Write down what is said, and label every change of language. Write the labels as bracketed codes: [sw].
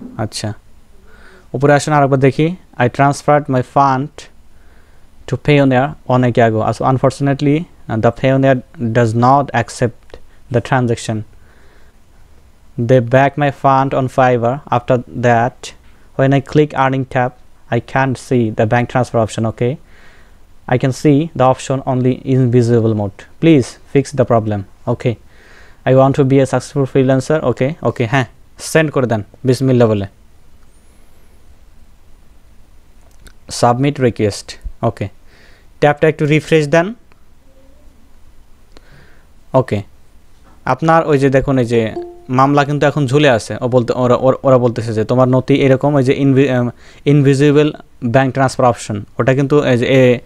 [bn] আচ্ছা উপরে আসুন আরেকবার দেখি, [en] I transferred my fund to Payoneer অনেকে ago, as unfortunately the Payoneer does not accept the transaction, they back my fund on Fiverr, after that when I click earning tab, I can't see the bank transfer option, okay? I can see the option only in visible mode. Please fix the problem, okay? I want to be a successful freelancer, okay? [bn] Okay, হ্যাঁ send করে দেন বিসমিল্লা বলে submit request ওকে ট্যাবটা একটু refresh দেন ওকে আপনার ওই যে দেখুন এই যে মামলা কিন্তু এখন ঝুলে আছে ও বলতে ওরা বলতেছে যে তোমার নথি এরকম ওই যে ইনভিজিবল ব্যাংক ট্রান্সফার অপশন ওটা কিন্তু এই যে এ